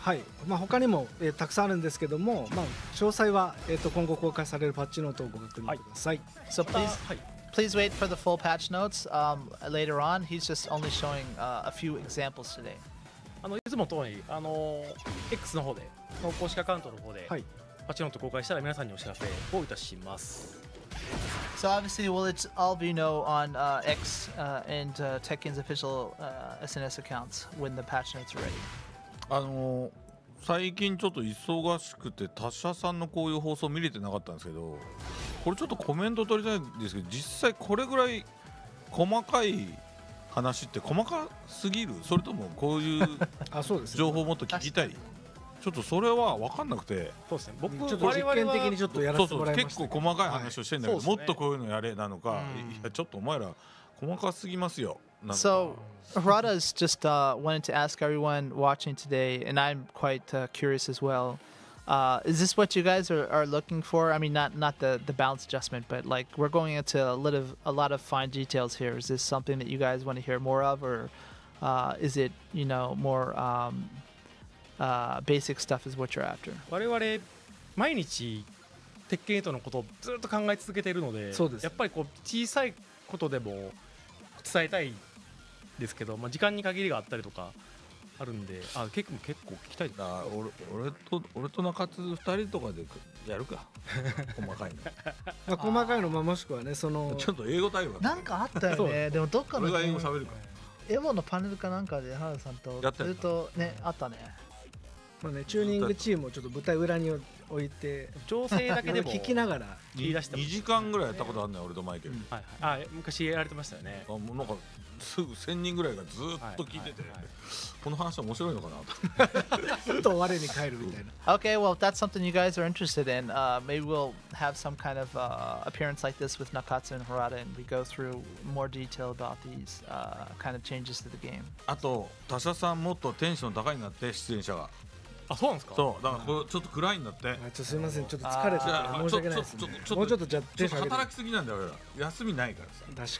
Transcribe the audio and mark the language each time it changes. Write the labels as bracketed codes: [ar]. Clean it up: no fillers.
[ja] はい、まあ、他にも、たくさんあるんですけども、まあ、詳細は、今後公開されるパッチノートをご確認ください。 [en] So please,、please wait for the full patch notes、later on. He's just only showing、a few examples today。 [ja] あのいつも通り、X の方で、公式アカウントの方で、はい、パチノート公開したら皆さんにお知らせをいたします。 [en] So obviously we'll let all of you know on X and Tekken's official SNS accounts when the patch notes are ready。 [ja] 最近ちょっと忙しくて他社さんのこういう放送見れてなかったんですけど、これちょっとコメント取りたいんですけど、実際これぐらい細かい話って細かすぎる、それともこういう情報をもっと聞きたい、ちょっとそれは分かんなくて。そうですね、僕ちょっと実験的にちょっとやらせてもらいました。そうそう、結構細かい話をしてるんだけど、はい、もっとこういうのやれなのか、いやちょっとお前ら細かすぎますよ。 [en] So Harada's just、wanted to ask everyone watching today, and I'm quite、curious as well、is this what you guys are looking for? I mean not the balance adjustment, but like we're going into a lot of fine details here. Is this something that you guys want to hear more of, or、is it you know more、basic stuff is what you're after。 [ja] 我々毎日鉄拳8のことをずっと考え続けているの で、そうです、やっぱりこう小さいことでも伝えたいですけど、まあ、時間に限りがあったりとかあるんで、あ結構聞きたいな。俺と中津2人とかでやるか細かいの、まあ、細かいの、まあ、もしくはねそのちょっと英語対話なんかあったよねでもどっかの俺が英語喋るか、エモのパネルかなんかで原田さんとずっとねっあったね。まあね、チューニングチームをちょっと舞台裏に置いて調整だけでも聞きながら言い出してます。2時間ぐらいやったことあるね、俺とマイケル、はいはい、あ昔やられてましたよね。あもうなんかすぐ1000人ぐらいがずっと聞いてて、はいはいはい、この話面白いのかなとふと我に返るみたいな。 [en] Okay, well, that's something you guys are interested in、maybe we'll have some kind of、appearance like this with Nakatsu and Harada and we go through more detail about these、kind of changes to the game。 [ja] あと他社さんもっとテンション高いなって、出演者が。あ、そうなんですか。そう、だからこれちょっと暗いんだって、うん、ちょすいませんちょっと疲れてて申し訳ないですね。もうちょっとじゃあテンション働きすぎなんだよ俺ら、休みないからさ。